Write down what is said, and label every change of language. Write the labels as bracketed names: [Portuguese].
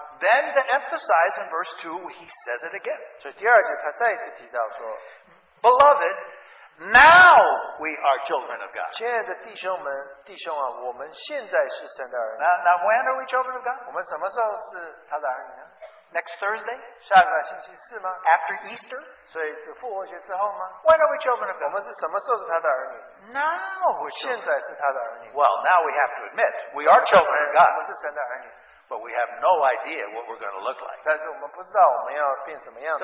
[English] Then to emphasize in verse 2, he says it again. [Chinese] 所以第二节他再一次提到说, [English] Beloved, now we are children of God. [Chinese] 亲爱的弟兄们，弟兄啊，我们现在是神的儿女。 [English] Now when are we children of God? [Chinese] 我们什么时候是他的儿女呢？ [English] Next Thursday? [Chinese] 下个星期四吗? [English] After Easter? [Chinese] 所以是复活节之后吗? [English] When are we children of God? [Chinese] 我们是什么时候是他的儿女? [English] Now we're children. [Chinese] 现在是他的儿女。 [English] Well, now we have to admit, we are children of God. [Chinese] 我们是神的儿女。 [English] But we have no idea what we're going to look like. [Chinese] 但是我们不知道我们要变什么样子。